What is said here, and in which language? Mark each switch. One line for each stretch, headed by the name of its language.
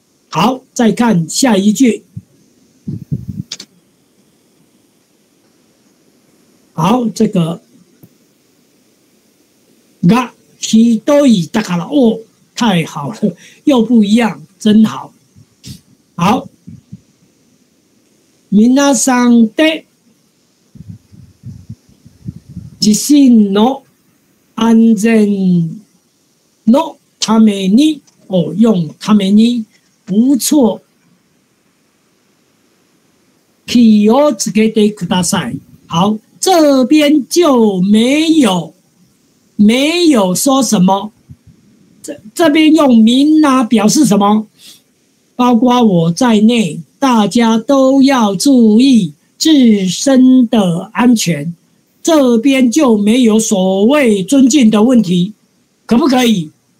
Chinese: 好，再看下一句。好，这个嘎西多伊达卡拉哦，太好了，又不一样，真好。
Japanese: 好，みなさんで地震の安全のために，哦，用ために不错，気をつけてください。
Chinese: 好，这边就没有没有说什么，这边用みんな表示什么？包括我在内。大家都要注意自身的安全，这边就没有所谓尊敬的问题，可不可以？